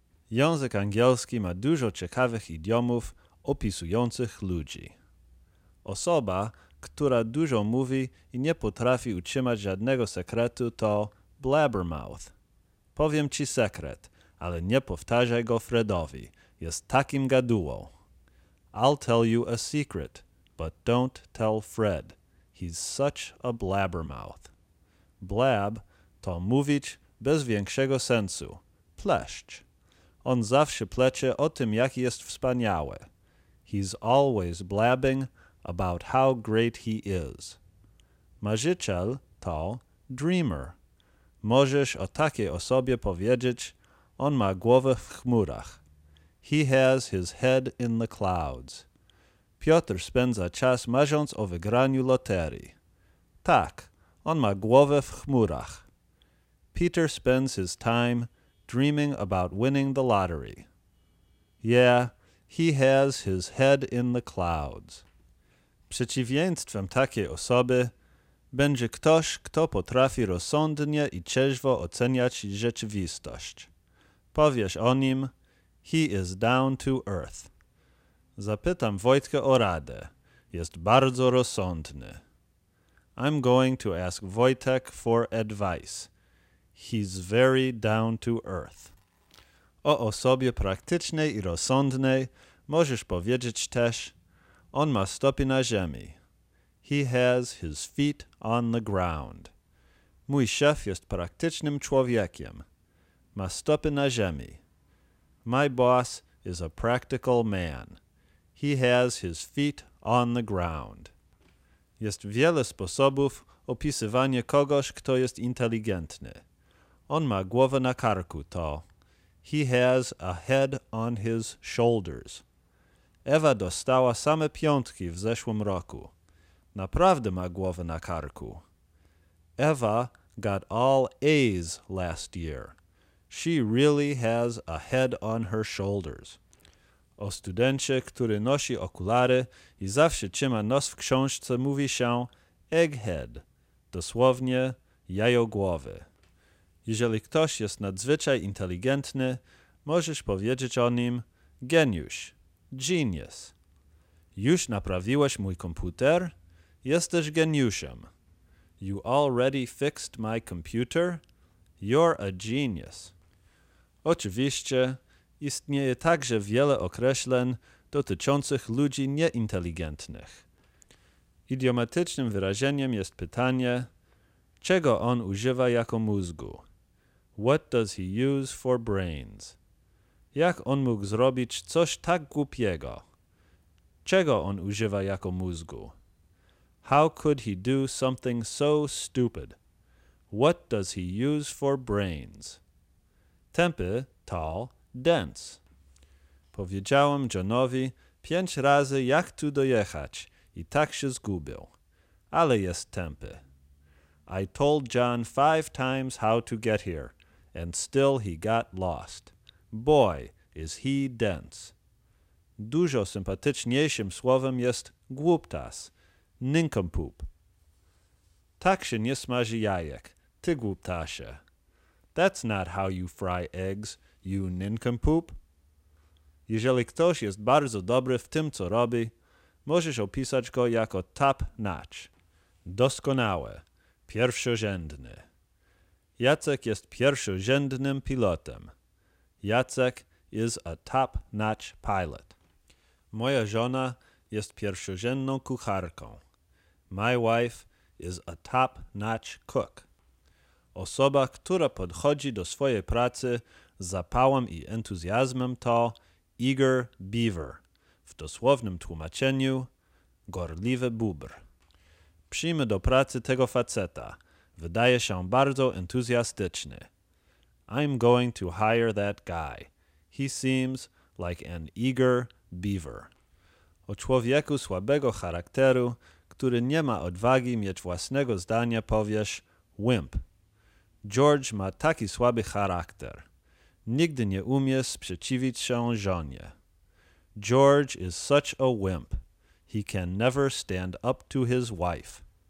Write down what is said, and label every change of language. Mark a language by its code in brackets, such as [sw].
[pl] Język angielski ma dużo ciekawych idiomów opisujących ludzi. Osoba, która dużo mówi i nie potrafi utrzymać żadnego sekretu, to blabbermouth. Powiem ci sekret, ale nie powtarzaj go Fredowi. Jest takim gadułą. [en] I'll tell you a secret, but don't tell Fred. He's such a blabbermouth. [pl] Blab to mówić bez większego sensu. Pleszcz. On zawsze plecze o tym, jaki jest wspaniały. [en] He's always blabbing about how great he is. [pl] Marzyciel to dreamer. Możesz o takiej osobie powiedzieć, on ma głowę w chmurach. [en] He has his head in the clouds. [pl] Piotr spędza czas marząc o wygraniu loterii. Tak, on ma głowę w chmurach. [en] Peter spends his time dreaming about winning the lottery. Yeah, he has his head in the clouds. [pl] Przeciwieństwem takiej osoby będzie ktoś, kto potrafi rozsądnie i trzeźwo oceniać rzeczywistość. Powiesz o nim, [en] he is down to earth. [pl] Zapytam Wojtka o radę. Jest bardzo rozsądny. [en] I'm going to ask Wojtek for advice. He's very down to earth. [pl] O osobie praktycznej i rozsądnej możesz powiedzieć też, on ma stopy na ziemi. [en] He has his feet on the ground. [pl] Mój szef jest praktycznym człowiekiem. Ma stopy na ziemi. [en] My boss is a practical man. He has his feet on the ground. [pl] Jest wiele sposobów opisywania kogoś, kto jest inteligentny. On ma głowę na karku, to [en] he has a head on his shoulders. [pl] Ewa dostała same piątki w zeszłym roku. Naprawdę ma głowę na karku. [en] Ewa got all A's last year. She really has a head on her shoulders. [pl] O studencie, który nosi okulary i zawsze trzyma nos w książce, mówi się egghead, dosłownie jajogłowy. Jeżeli ktoś jest nadzwyczaj inteligentny, możesz powiedzieć o nim genius, genius. Już naprawiłeś mój komputer? Jesteś geniuszem. [en] You already fixed my computer? You're a genius. [pl] Oczywiście, istnieje także wiele określeń dotyczących ludzi nieinteligentnych. Idiomatycznym wyrażeniem jest pytanie, czego on używa jako mózgu? [en] What does he use for brains? [pl] Jak on mógł zrobić coś tak głupiego? Czego on używa jako mózgu? [en] How could he do something so stupid? What does he use for brains? [pl] Tempy to dense. Powiedziałem Johnowi 5 razy, jak tu dojechać, i tak się zgubił. Ale jest tempy. [en] I told John 5 times how to get here. And still he got lost. Boy, is he dense. [pl] Dużo sympatyczniejszym słowem jest głuptas, nincompoop. Tak się nie smaży jajek, ty głuptasie. [en] That's not how you fry eggs, you nincompoop. [pl] Jeżeli ktoś jest bardzo dobry w tym, co robi, możesz opisać go jako top notch. Doskonałe, pierwszorzędny. Jacek jest pierwszorzędnym pilotem. [en] Jacek is a top-notch pilot. [pl] Moja żona jest pierwszorzędną kucharką. [en] My wife is a top-notch cook. [pl] Osoba, która podchodzi do swojej pracy z zapałem i entuzjazmem, to eager beaver. W dosłownym tłumaczeniu gorliwy bóbr. Przyjmę do pracy tego faceta. Wydaje się bardzo entuzjastyczny. [en] I'm going to hire that guy. He seems like an eager beaver. [pl] O człowieku słabego charakteru, który nie ma odwagi mieć własnego zdania, powiesz wimp. George ma taki słaby charakter. Nigdy nie umie sprzeciwić się żonie. [en] George is such a wimp. He can never stand up to his wife.